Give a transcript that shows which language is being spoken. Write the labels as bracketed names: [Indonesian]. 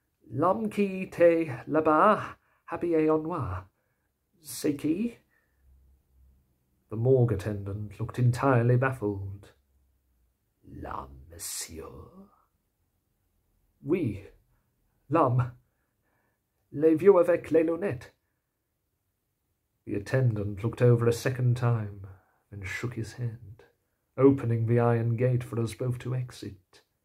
[French] "L'homme qui était là-bas, habillé en noir, c'est qui?" [English] The morgue attendant looked entirely baffled. [French] "L'homme, monsieur." "Oui, l'homme. Les vieux avec les lunettes." [English] The attendant looked over a second time and shook his head, opening the iron gate for us both to exit.